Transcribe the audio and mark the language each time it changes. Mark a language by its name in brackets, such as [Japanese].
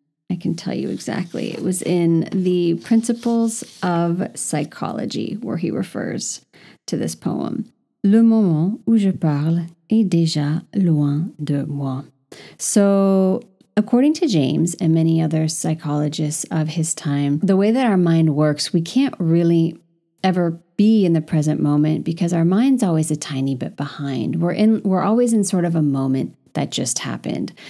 [English] It was in The Principles of Psychology where he refers to this poem. [French] Le moment où je parle est déjà loin de moi. [English] So, according to James and many other psychologists of his time, the way that our mind works, we can't really ever be in the present moment because our mind's always a tiny bit behind. We're always in sort of a moment that just happened.